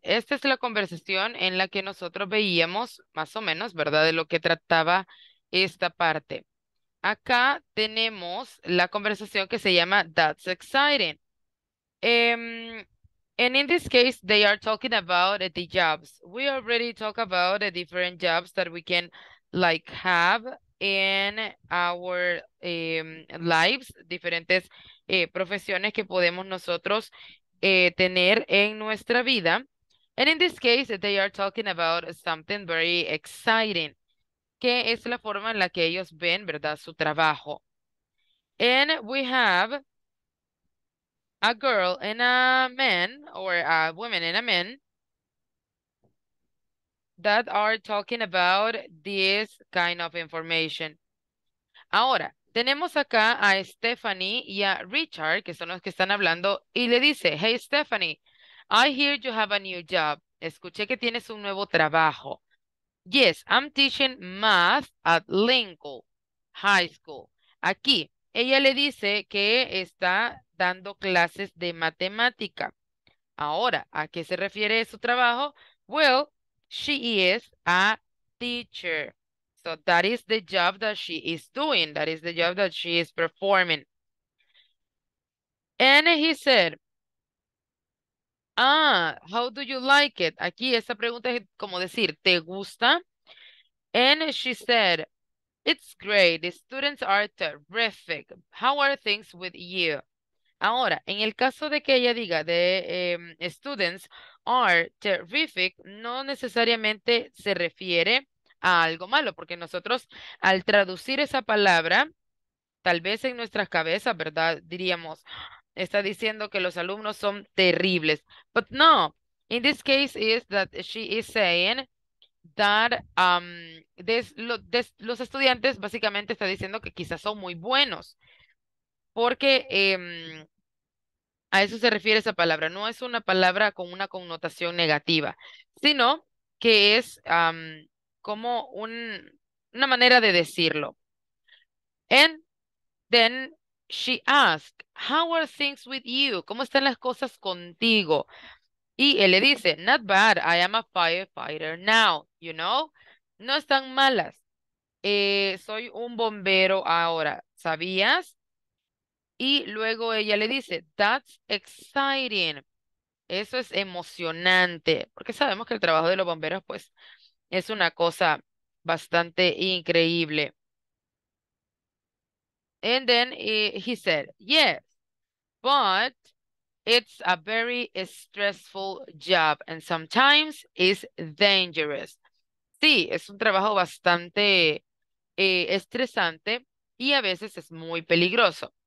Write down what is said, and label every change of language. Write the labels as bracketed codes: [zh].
[es] Esta es la conversación en la que nosotros veíamos, más o menos, ¿verdad?, de lo que trataba esta parte. Acá tenemos la conversación que se llama That's Exciting. [en] And in this case, they are talking about the jobs. We already talked about the different jobs that we can, like, have in our lives, [es] diferentes profesiones que podemos nosotros tener en nuestra vida. [en] And in this case, they are talking about something very exciting, [es] que es la forma en la que ellos ven, ¿verdad?, su trabajo. [en] And we have a girl and a man, or a woman and a man, that are talking about this kind of information. [es] Ahora, tenemos acá a Stephanie y a Richard, que son los que están hablando, y le dice, [en] hey, Stephanie, I hear you have a new job. [es] Escuché que tienes un nuevo trabajo. [en] Yes, I'm teaching math at Lincoln High School. [es] Aquí, ella le dice que está dando clases de matemática. Ahora, ¿a qué se refiere su trabajo? [en] Well, she is a teacher. So that is the job that she is doing. That is the job that she is performing. And he said, ah, how do you like it? [es] Aquí esa pregunta es como decir, ¿te gusta? [en] And she said, it's great. The students are terrific. How are things with you? [es] Ahora, en el caso de que ella diga de [en] students are terrific, [es] no necesariamente se refiere a algo malo, porque nosotros al traducir esa palabra, tal vez en nuestras cabezas, ¿verdad?, diríamos, está diciendo que los alumnos son terribles. [en] But no, in this case is that she is saying that [es] los estudiantes básicamente está diciendo que quizás son muy buenos, porque a eso se refiere esa palabra. No es una palabra con una connotación negativa, sino que es como una manera de decirlo. [en] And then she asks, how are things with you? [es] ¿Cómo están las cosas contigo? Y él le dice, [en] not bad, I am a firefighter now, you know? [es] No están malas. Soy un bombero ahora, ¿sabías? Y luego ella le dice, [en] that's exciting. [es] Eso es emocionante. Porque sabemos que el trabajo de los bomberos, pues, es una cosa bastante increíble. [en] And then he said, yes, but it's a very stressful job and sometimes it's dangerous. [es] Sí, es un trabajo bastante estresante y a veces es muy peligroso.